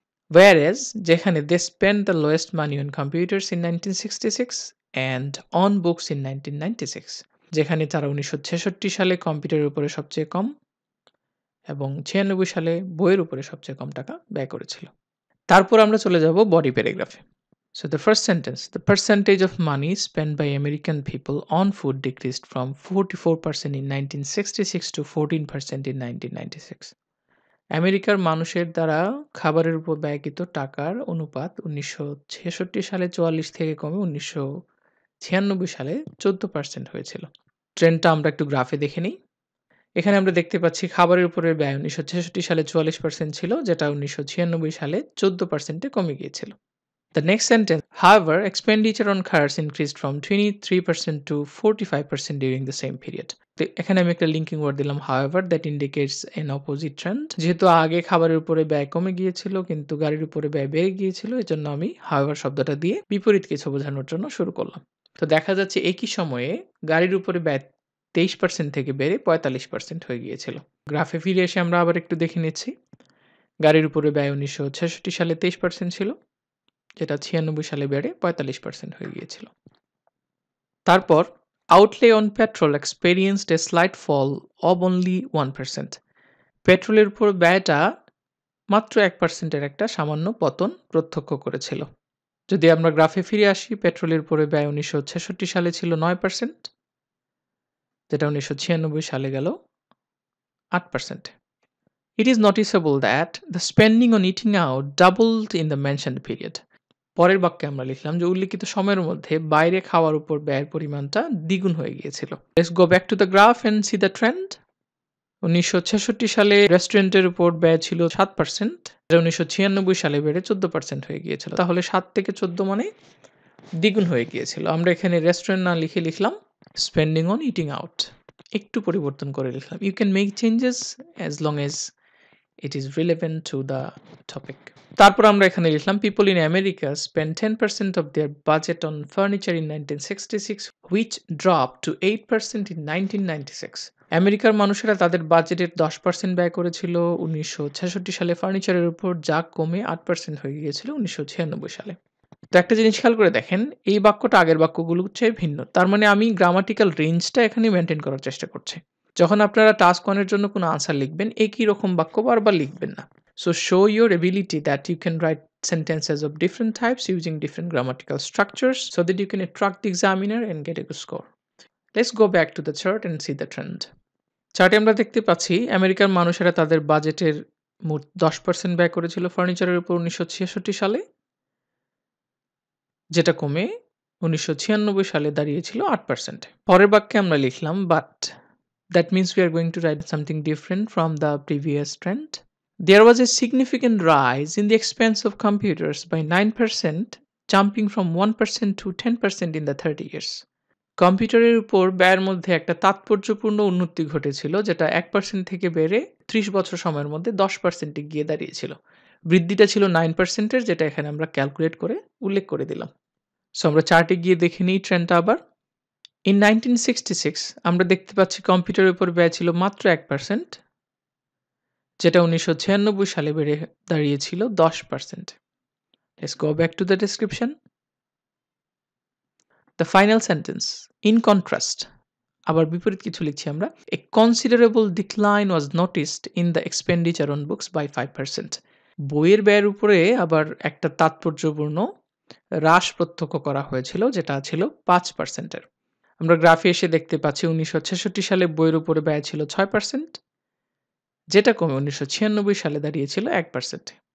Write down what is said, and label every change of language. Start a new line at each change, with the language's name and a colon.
English: whereas,
Bangla: যেখানে
English: they spend the lowest money on computers in 1966 and on books in 1996,
Bangla: যেখানে তারা 1966 সালে কম্পিউটারের উপরে সবচেয়ে কম এবং 96 সালে বইয়ের উপরে সবচেয়ে কম টাকা ব্যয় করেছিল। তারপর আমরা চলে যাব body প্যারাগ্রাফে।
English: So the first sentence, the percentage of money spent by American people on food decreased from 44% in 1966 to 14% in 1996.
Bangla: আমেরিকার মানুষের দ্বারা খাবারের উপর ব্যয়কৃত টাকার অনুপাত 1966 সালে 44 থেকে কমে 1996 সালে 14% হয়েছিল। ট্রেন্ডটা আমরা একটু গ্রাফে দেখে নিই। এখানে আমরা দেখতে পাচ্ছি খাবারের উপরের ব্যয় 1966 সালে 44% ছিল, যেটা 1996 সালে 14% কমে গিয়েছিল।
English: The next sentence, however, expenditure on cars increased from 23% to 45% during the same period.
Bangla: এখানে আমি একটা
English: linking word
Bangla: দিলাম
English: However, that indicates an opposite trend.
Bangla: যেহেতু আগে খাবারের উপরে ব্যয় কমে গিয়েছিল কিন্তু গাড়ির উপরে ব্যয় বেড়ে গিয়েছিল, এর জন্য আমি হাউএভার শব্দটা দিয়ে বিপরীত কিছু বোঝানোর জন্য শুরু করলাম। তো দেখা যাচ্ছে একই সময়ে গাড়ির উপরে ব্যয় 23% থেকে বেড়ে 45% হয়ে গিয়েছিল। গ্রাফে ফিরে এসে আমরা আবার একটু দেখে নিচ্ছি, গাড়ির উপরে ব্যয় 1966 সালে 23% ছিল, যেটা 96 সালে বেড়ে 45% হয়ে গিয়েছিল। তারপর
English: Outlay on petrol experienced a slight fall of only 1%।
Bangla: পেট্রোলের উপর ব্যয়টা মাত্র 1%-এর একটা সামান্য পতন প্রত্যক্ষ করেছিল। যদি আমরা গ্রাফে ফিরে আসি, পেট্রোলের উপরে ব্যয় 1966 সালে ছিল 9%, যেটা 1996 সালে গেল 8%.
English: It is noticeable that the spending on eating out doubled in the mentioned period.
Bangla: পরের বাক্যে আমরা লিখলাম যে উল্লেখিত সময়ের মধ্যে বাইরে খাওয়ার উপর ব্যয়ের পরিমাণটা দ্বিগুণ হয়ে গিয়েছিল.
English: Let's go back to the graph and see the trend.
Bangla: 1966 সালে রেস্টুরেন্টের উপর ব্যয় ছিল 7%, 1996 সালে বেড়ে 14% হয়ে গিয়েছিল. তাহলে 7 থেকে 14 মানে দ্বিগুণ হয়ে গিয়েছিল. আমরা এখানে রেস্টুরেন্ট না লিখে লিখলাম
English: spending on eating out,
Bangla: একটু পরিবর্তন করে লিখলাম.
English: You can make changes as long as it is relevant to the topic.
Bangla: তারপর আমরা এখানে লিখলাম
English: People in America spend 10% of their budget on furniture in 1966, which drop to 8% in 1996.
Bangla: আমেরিকার মানুষেরা তাদের বাজেটের 10% ব্যয় করেছিল 1966 সালে ফার্নিচারের উপর, যা কমে 8% হয়ে গিয়েছিল 1996 সালে। তো একটা জিনিস খেয়াল করে দেখেন, এই বাক্যটা আগের বাক্যগুলোর চেয়ে ভিন্ন। তার মানে আমি গ্রামাটিক্যাল রেঞ্জটা এখানে মেনটেন করার চেষ্টা করছি। যখন আপনারা টাস্ক ওয়ানের জন্য কোনো আনসার লিখবেন, একই রকম বাক্য বারবার লিখবেন না।
English: So show your ability that you can write sentences of different types using different grammatical structures so that you can attract the examiner and get a good score. Let's go back to the chart and see the trend.
Bangla: চার্টে আমরা দেখতে পাচ্ছি আমেরিকার মানুষেরা তাদের বাজেটের 10% ব্যয় করেছিল ফার্নিচারের উপর 1966 সালে, যেটা কমে 1996 সালে দাঁড়িয়েছিল 8%। পরের বাক্যে আমরা লিখলাম
English: But that means we are going to write something different from the previous trend. There was a significant rise in the expense of computers by 9%, jumping from 1% to 10% in the 30 years.
Bangla: কম্পিউটারের উপর ব্যয়ের মধ্যে একটা তাৎপর্যপূর্ণ উন্নতি ঘটেছিল, যেটা 1% থেকে বেড়ে 30 বছর সময়ের মধ্যে 10% গিয়ে দাঁড়িয়েছিল। বৃদ্ধিটা ছিল 9%, যেটা এখানে আমরা ক্যালকুলেট করে উল্লেখ করে দিলাম। সো আমরা চার্টে গিয়ে দেখে নিই ট্রেন্ডটা আবার।
English: in 1966
Bangla: আমরা দেখতে পাচ্ছি কম্পিউটারের উপর ব্যয় ছিল মাত্র 1%, যেটা 1996 সালে বেড়ে দাঁড়িয়েছিল 10%।
English: Let's go back to the description. The final sentence, in contrast,
Bangla: আবার বিপরীত কিছু লিখছি আমরা,
English: a considerable decline was noticed in the expenditure on books by 5%.
Bangla: বইয়ের ব্যয়ের উপরে আবার একটা তাৎপর্যপূর্ণ হ্রাস প্রত্যক্ষ করা হয়েছিল, যেটা ছিল 5%-এর। আমরা গ্রাফে এসে দেখতে পাচ্ছি 1966 সালে বইয়ের উপরে ব্যয় ছিল 6%, যেটা কমে 1996 সালে দাঁড়িয়েছিল 1%-এ।